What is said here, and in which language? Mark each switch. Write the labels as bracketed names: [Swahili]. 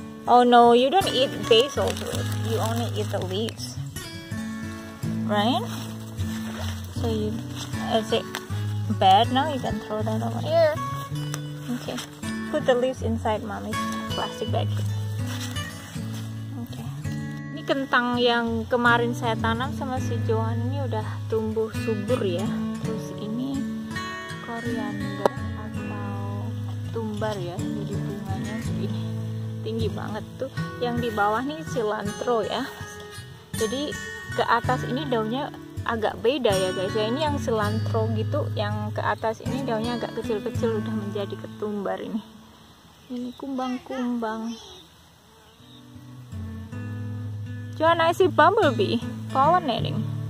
[English] Oh no, you don't eat basil fruit. You only eat the leaves, right? So you, is it bad? No, you can throw that away. Here. Okay. Put the leaves inside mommy's plastic bag. [Indonesian] Kentang yang kemarin saya tanam sama si Johan ini udah tumbuh subur ya. Terus ini koriander atau tumbar ya, jadi bunganya lebih tinggi banget tuh. Yang di bawah nih cilantro ya. Jadi ke atas ini daunnya agak beda ya guys. Ya ini yang cilantro gitu, yang ke atas ini daunnya agak kecil-kecil udah menjadi ketumbar ini. Ini kumbang-kumbang. [English] John, I see bumblebee pollinating.